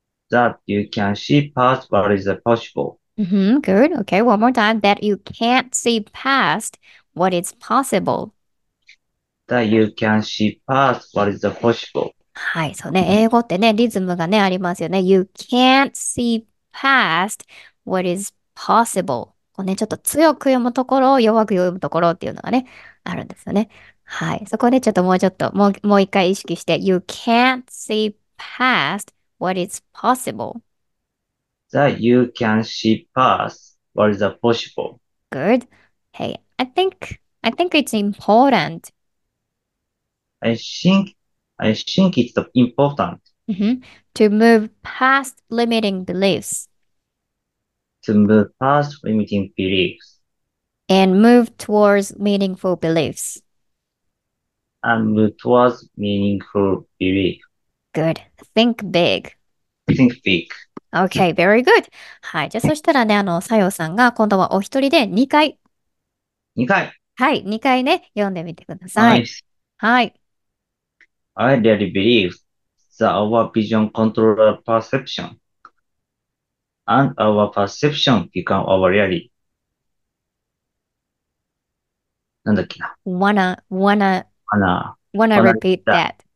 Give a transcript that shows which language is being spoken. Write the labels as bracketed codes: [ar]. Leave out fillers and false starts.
[en] That you can see past what is possible. Mm-hmm. Good. Okay, one more time. That you can't see past what is possible. That you can see past what is possible. [ja] はい、そうね。英語ってね、リズムがね、ありますよね。 [en] You can't see past what is possible. [ja] こうね、ちょっと強く読むところを弱く読むところっていうのがね、あるんですよね。はい。そこで、ね、ちょっともうちょっと、もう一回意識して。 [en] You can't see past what is possible. That you can see past what is possible. Good. Hey, I think it's important. I think it's important. Mm-hmm. To move past limiting beliefs. To move past limiting beliefs. And move towards meaningful beliefs. And move towards meaningful beliefs. Good. Think big. Think big. Okay, very good. [ja] はい。じゃあ、そしたらね、さようさんが今度はお一人で2回 2回。はい、2回ね、読んでみてください。 [en] Nice. [ja] はい。 [en] I really believe that our vision controls our perception. And our perception becomes our reality. [ja] なんだっけな。 [en] Wanna repeat that.